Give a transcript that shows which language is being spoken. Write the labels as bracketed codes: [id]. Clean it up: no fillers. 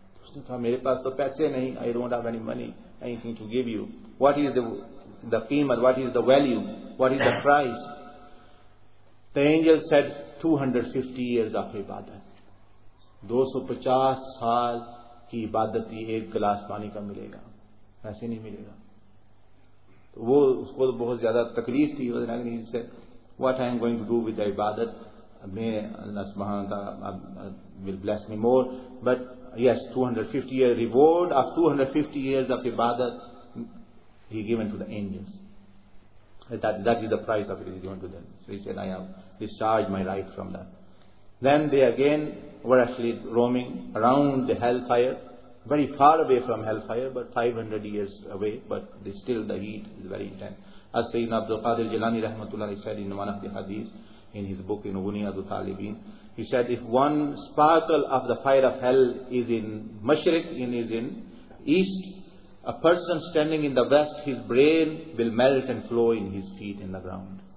[ur] میرے پاس تو پیسے نہیں, [en] I don't have any money, anything to give you, what is the قیمت, what is the value, what is the price. The angel said 250 years of [ur] عبادت, 250 سال کی عبادت ہی ایک گلاس پانی کا ملے گا, ویسے نہیں ملے گا. تو وہ اس کو بہت زیادہ تکلیف تھی, [en] What I am going to do with the عبادت, میں اللہ سبحانہ تعالی will bless me more, but yes, 250 years, reward of 250 years of ibadat he given to the angels. That is the price of it, he given to them. So he said, I have discharged my right from that. Then they again were actually roaming around the hellfire, very far away from hellfire, but 500 years away, but they still, the heat is very intense. As Sayyidina Abdul Qadir Jilani rahmatullah said in one of the hadith, in his book, in Ghuniyatul Talibin, he said, if one sparkle of the fire of hell is in Mashriq, is in East, a person standing in the West, his brain will melt and flow in his feet in the ground.